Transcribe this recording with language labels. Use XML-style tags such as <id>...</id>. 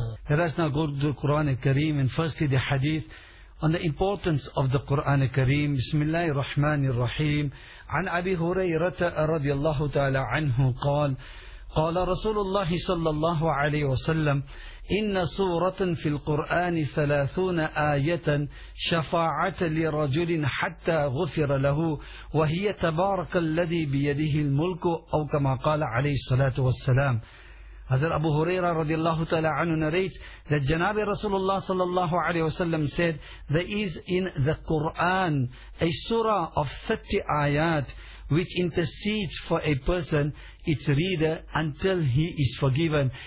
<en>Let us now go to the Quran al-Kareem and firstly the Hadith on the importance of the Quran al-Kareem.</en> <ar>Bismillahir Rahmanir Rahim. An Abi Hurairah radiallahu ta'ala anhu qal, قال رسول الله صلى الله عليه وسلم إن سورة في القرآن 30 آية شفاعة لرجل حتى غفر له وهي تبارك الذي بيده الملك أو كما قال عليه الصلاة والسلام.</ar> <en>Hazrat Abu Huraira radiallahu ta'ala anhu narrates that Janabi Rasulullah sallallahu alayhi wa sallam said, there is in the Quran a surah of 30 ayat which intercedes for a person, its reader, until he is forgiven.</en>